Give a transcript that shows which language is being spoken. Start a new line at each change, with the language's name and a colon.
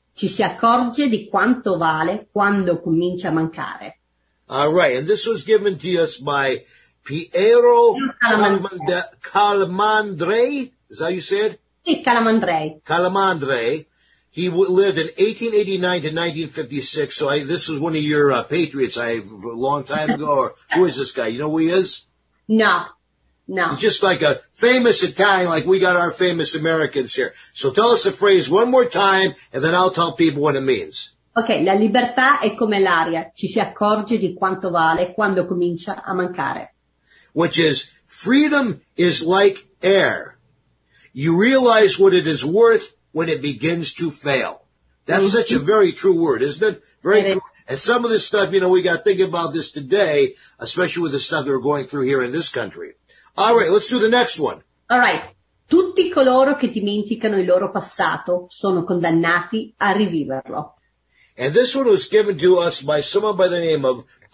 Italian: Ci si accorge di quanto vale quando comincia a mancare.
English: All right. And this was given to us by Piero Calamandrei. Is that how you said?
Italian: Sì, Calamandrei.
English: Calamandrei. He lived in 1889 to 1956. So this is one of your patriots a long time ago. Who is this guy? You know who he is? No. Just like a famous Italian, like we got our famous Americans here. So tell us the phrase one more time, and then I'll tell people what it means.
Italian: Okay, la libertà è come l'aria. Ci si accorge di quanto vale quando comincia a mancare.
English: Which is, freedom is like air. You realize what it is worth when it begins to fail. That's such a very true word, isn't it? And some of this stuff, you know, we got to think about this today, especially with the stuff that we're going through here in this country. All right, let's do the next one. All right.
Italian: Tutti coloro che dimenticano il loro passato sono condannati a riviverlo.
English: And this one was given to us by someone by the name of